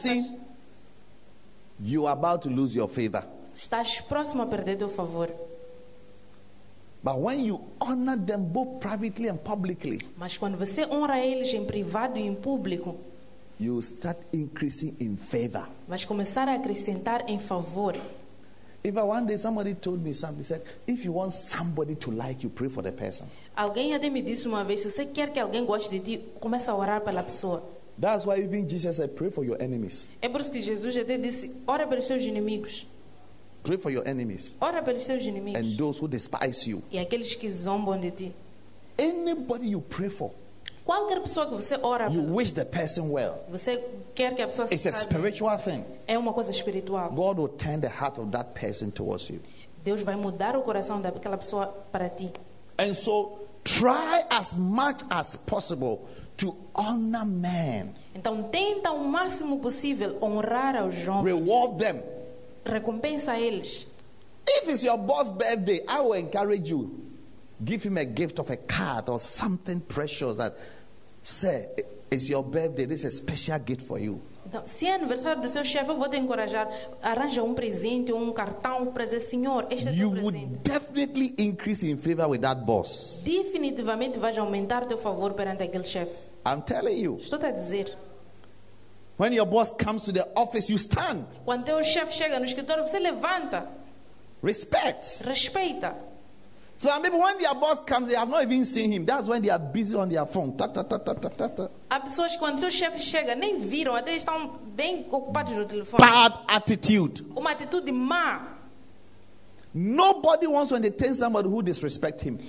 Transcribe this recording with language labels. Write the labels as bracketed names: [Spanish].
[English] see, you are about to lose your favor. [Portuguese] Estás próximo a perder teu favor. [English] But when you honor them both privately and publicly, [Portuguese] mas quando você honra eles em privado e em público, [English] you start increasing in favor. [Portuguese] Vais começar a acrescentar em favor. [English] If I one day somebody told me something, said, if you want somebody to like you, pray for the person. [Portuguese] Alguém até me disse uma vez, se você quer que alguém goste de ti, começa a orar pela pessoa. [English] That's why even Jesus said, pray for your enemies. [Portuguese] É por isso que Jesus até disse, ora pelos seus inimigos. [English] Pray for your enemies. [Portuguese] Ora pelos seus inimigos. [English] And those who despise you. [Portuguese] E aqueles que zombam de ti. [English] Anybody you pray for. [Portuguese] Qualquer pessoa que você ora. [English] You wish the person well. [Portuguese] Você quer que a pessoa se [English] It's a spiritual [Portuguese] bem. [English] Thing. [Portuguese] É uma coisa espiritual. [English] God will turn the heart of that person towards you. [Portuguese] Deus vai mudar o coração daquela pessoa para ti. [English] And so try as much as possible to honor men. [Portuguese] Então tenta o máximo possível honrar aos homens. [English] Reward them. [Portuguese] Recompensa eles. [English] If it's your boss birthday, I will encourage you. Give him a gift of a card or something precious that say it's your birthday, this is a special gift for you. [Portuguese] Então, se é aniversário do seu chefe, eu vou te encorajar, arranja um presente, um cartão para dizer, senhor, este é teu presente. [English] You would definitely increase in favor with that boss. [Portuguese] Definitivamente vai aumentar teu favor perante aquele chefe. [English] I'm telling you. [Portuguese] Estou a dizer. [English] When your boss comes to the office, you stand. [Portuguese] Quando teu chefe chega no escritório, você levanta. [English] Respect. [Portuguese] Respeita. [English] Some people, when their boss comes, they have not even seen him. That's when they are busy on their phone. Ta ta ta ta ta ta ta. [Portuguese] Há pessoas que quando seu chefe chega nem viram, até estão bem ocupados no telefone. [English] Bad attitude. [Portuguese] Uma atitude má. [English] Nobody wants to entertain somebody who disrespects him.